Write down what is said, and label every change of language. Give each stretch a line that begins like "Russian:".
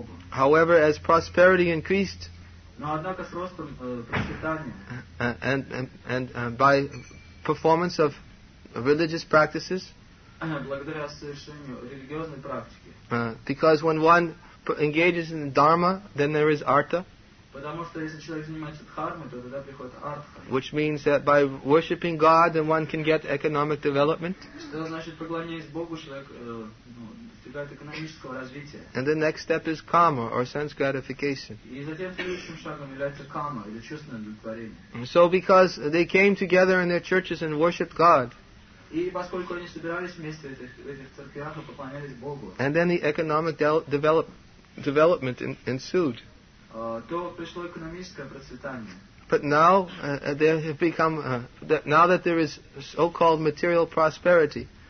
English: However, as prosperity increased, by performance of religious practices, because when one engages in dharma, then there is artha.
Russian: Потому что если человек занимается дхармой, то тогда приходит артха.
English: Which means that by worshipping God, then one can get economic development.
Russian: Что значит поклоняясь Богу, человек достигает экономического развития.
English: And the next step is karma or sense gratification.
Russian: И затем следующим шагом является карма или чувственное удовлетворение.
English: So because they came together in their churches and worshipped God.
Russian: И поскольку они собирались вместе в этих церквях и поклонялись Богу.
English: And then the economic development ensued. But now they have become now that there is so-called material prosperity.